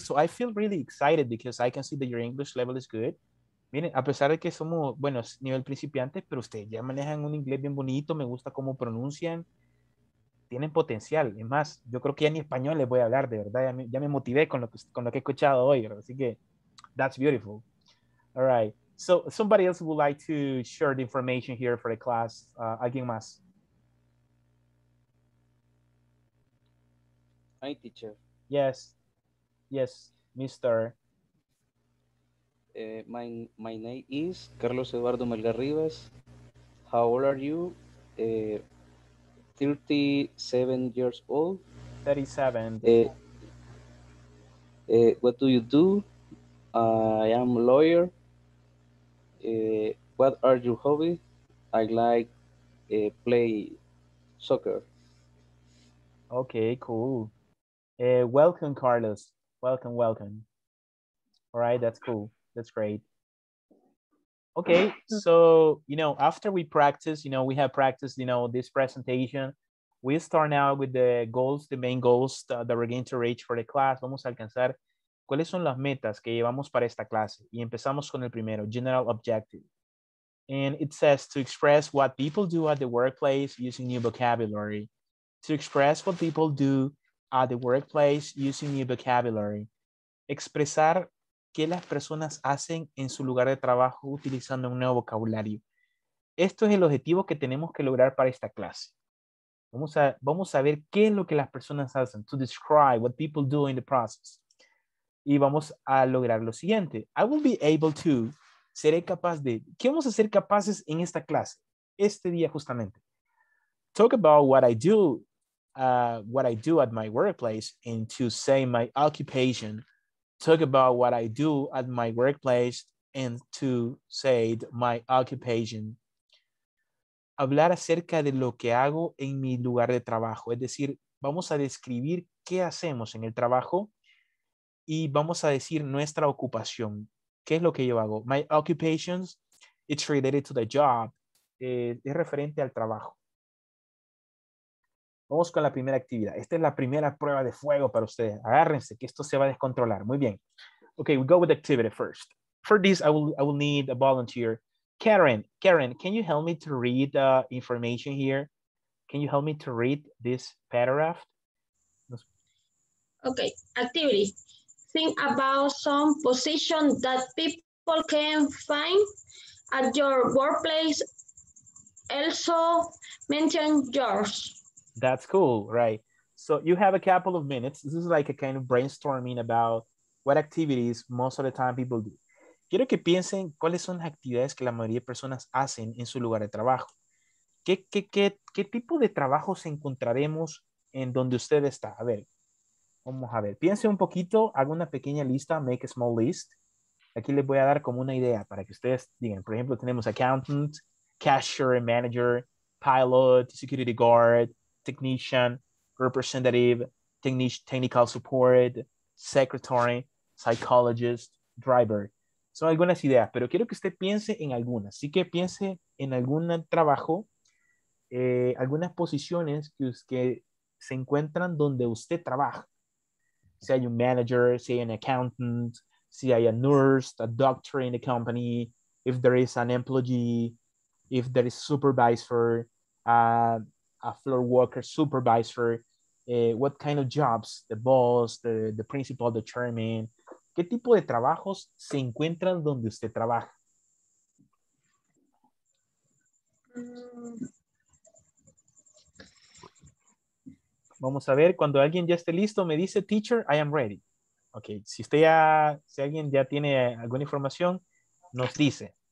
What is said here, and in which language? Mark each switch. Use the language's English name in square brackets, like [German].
[English] So I feel really excited because I can see that your English level is good. [Spanish] Miren, a pesar de que somos, bueno, nivel principiante, pero ustedes ya manejan un inglés bien bonito. Me gusta cómo pronuncian. Tienen potencial. Es más, yo creo que ya ni español les voy a hablar, de verdad. Ya me motivé con lo que he escuchado hoy. ¿Verdad? Así que, [English] that's beautiful. All right. So somebody else would like to share the information here for the class. [Spanish] Alguien más. [English] Hi, teacher. Yes. Yes, Mr. My name is Carlos Eduardo Melgar Rivas. How old are you? 37 years old. 37. What do you do? I am a lawyer. What are your hobbies? I like play soccer. Okay, cool. Welcome, Carlos. Welcome, welcome. All right, that's cool. That's great. Okay, so, you know, after we practice, you know, we have practiced, you know, this presentation, we start now with the goals, the main goals that we're going to reach for the class. [Spanish] Vamos a alcanzar cuáles son las metas que llevamos para esta clase. Y empezamos con el primero, [English] general objective. And it says to express what people do at the workplace using new vocabulary. To express what people do at the workplace using new vocabulary. [Spanish] Expresar qué las personas hacen en su lugar de trabajo utilizando un nuevo vocabulario. Esto es el objetivo que tenemos que lograr para esta clase. Vamos a ver qué es lo que las personas hacen. [English] To describe what people do in the process. [Spanish] Y vamos a lograr lo siguiente. [English] I will be able to. [Spanish] Seré capaz de. ¿Qué vamos a ser capaces en esta clase? Este día justamente. [English] Talk about what I do at my workplace and to say my occupation. Talk about what I do at my workplace and to say my occupation. [Spanish] Hablar acerca de lo que hago en mi lugar de trabajo. Es decir, vamos a describir qué hacemos en el trabajo y vamos a decir nuestra ocupación. ¿Qué es lo que yo hago? [English] My occupations, it's related to the job. [Spanish] Es referente al trabajo. Vamos con la primera actividad. Esta es la primera prueba de fuego para ustedes. Agárrense, que esto se va a descontrolar. Muy bien. [English] Okay, we go with activity first. For this, I will need a volunteer. Karen, can you help me to read the information here? Can you help me to read this paragraph? Okay, activity. Think about some positions that people can find at your workplace. Also, mention yours. That's cool, right? So you have a couple of minutes. This is like a kind of brainstorming about what activities most of the time people do. [Spanish] Quiero que piensen cuáles son las actividades que la mayoría de personas hacen en su lugar de trabajo. ¿Qué tipo de trabajos encontraremos en donde usted está? A ver, vamos a ver. Piense un poquito, haga una pequeña lista, [English] make a small list. [Spanish] Aquí les voy a dar como una idea para que ustedes digan. Por ejemplo, tenemos accountant, cashier, manager, pilot, security guard, technician, representative, technical support, secretary, psychologist, driver. Son algunas ideas, pero quiero que usted piense en algunas. Así que piense en algún trabajo, algunas posiciones que se encuentran donde usted trabaja. Si hay un manager, si hay [English] un accountant, si hay a nurse, a doctor in the company, if there is an employee, if there is a supervisor, a floor worker supervisor, what kind of jobs, the boss, the principal, the chairman. [Spanish] ¿Qué tipo de trabajos se encuentran donde usted trabaja? Vamos a ver, cuando alguien ya esté listo, me dice, teacher, [English] I am ready. [Spanish] Ok, si usted ya, si alguien ya tiene alguna información, nos dice.